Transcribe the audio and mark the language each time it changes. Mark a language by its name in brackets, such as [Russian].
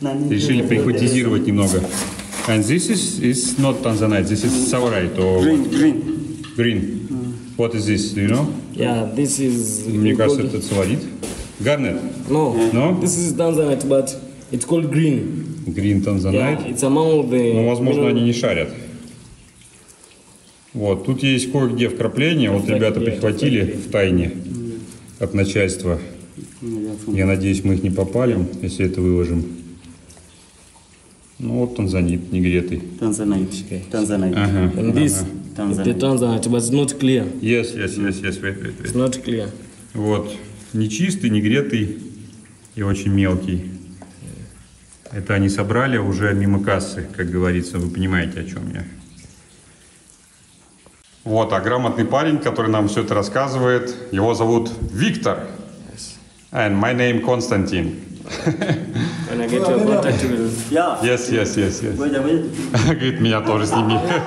[Russian] Решили прихватизировать немного. [English] And this is not Tanzanite, this is Saurite or green, what? Green. Green. Mm. What is this, do you know? Yeah, this is... [Russian] Мне кажется, это Саурит. Garnet? [English] No. No? This is Tanzanite, but it's called green. Green Tanzanite? Yeah, it's among the... [Russian] Ну, возможно, они не шарят. Вот, тут есть кое-где вкрапления, вот ребята прихватили в тайне от начальства. Я надеюсь, мы их не попалим, если это выложим. Ну вот танзанит, негретый. Танзанит. Ага. [English] This, танзанит, but it's not clear. Yes. It's not clear. [Russian] Вот, нечистый, негретый и очень мелкий. Это они собрали уже мимо кассы, как говорится, вы понимаете, о чем я. Вот, а грамотный парень, который нам все это рассказывает, его зовут Виктор. [English] And my name Константин. When I get your contact, you will... Yeah. Yes. [Russian] Говорит, меня тоже сними.